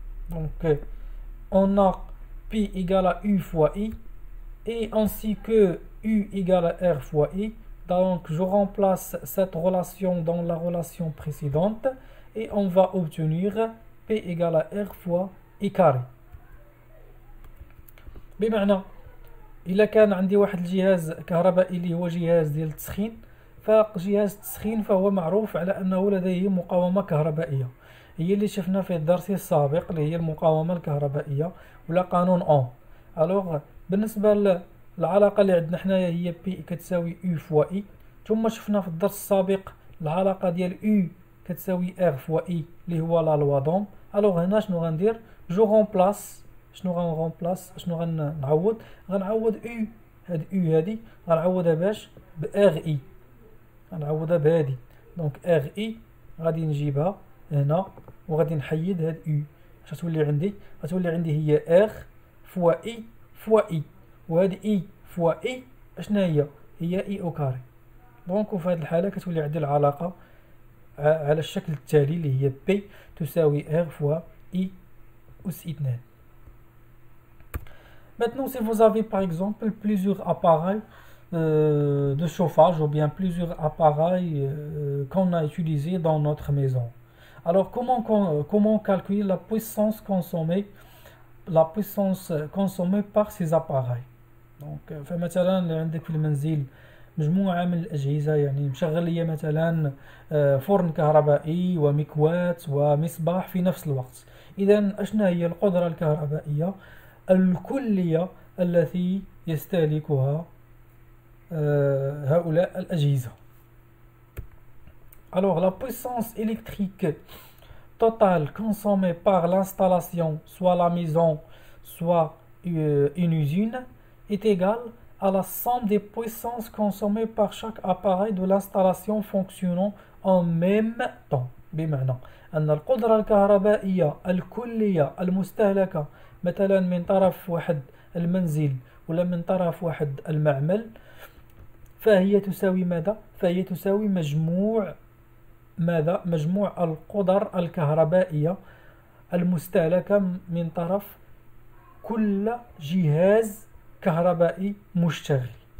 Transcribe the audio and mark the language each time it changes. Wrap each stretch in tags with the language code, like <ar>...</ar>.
<fr>دونك اون بي إيكال أو فوا إي، إي أنسي كو U égale à R fois I. Donc, je remplace cette relation dans la relation précédente et on va obtenir P égale à R fois I carré.</fr> <ar>بمعنى إذا كان عندي واحد الجهاز كهربائي اللي هو جهاز ديال التسخين، فجهاز التسخين فهو معروف على أنه لديه مقاومة كهربائية، هي اللي شفنا في الدرس السابق اللي هي المقاومة الكهربائية ولا قانون أوم. ألوغ بالنسبة العلاقة اللي عندنا حنايا هي بي كتساوي U فوا إي، ثم شفنا في الدرس السابق العلاقة ديال U كتساوي R فوا إي اللي هو</ar> <fr>لا لوا دوم.</fr> <ar>ألوغ هنا شنو غندير؟</ar> <fr>جو غومبلاس،</fr> <ar>شنو غنغومبلاس؟ شنو غنعوض؟ غنعوض U، هاد U هادي غنعوضها باش ب R إي، غنعوضها بهادي. دونك R إي غادي نجيبها هنا وغادي نحيد هاد U، اش غتولي عندي؟ غتولي عندي هي R فوا إي فوا إي، وهاد اي فوا اي اشنا هي؟ هي اي او كاري. دونك في هذه الحاله كتولي عندي العلاقه على الشكل التالي اللي هي بي تساوي ار فوا اي اس 2.</ar> <fr>Maintenant, si vous avez par exemple plusieurs appareils de chauffage ou bien plusieurs appareils qu'on a utilisés dans notre maison, alors comment calculer la puissance consommée, la puissance consommée par ces appareils?</fr> <ar>دونك فمثلا عندك في المنزل مجموعة من الأجهزة، يعني مشغل لي مثلا فرن كهربائي ومكوات ومصباح في نفس الوقت، إذا أشنا هي القدرة الكهربائية الكلية التي يستهلكها هؤلاء الأجهزة.</ar> <fr>Alors, la puissance électrique totale consommée par l'installation, soit la maison, soit une usine, est égale à la somme des puissances consommées par chaque appareil de l'installation fonctionnant en même temps.</fr> <ar>بمعنى أن القدرة الكهربائية الكلية المستهلكة مثلا من طرف واحد المنزل ولا من طرف واحد المعمل فهي تساوي ماذا؟ فهي تساوي مجموع ماذا؟ مجموع القدر الكهربائية المستهلكة من طرف كل جهاز كهربائي مشتغل.</ar>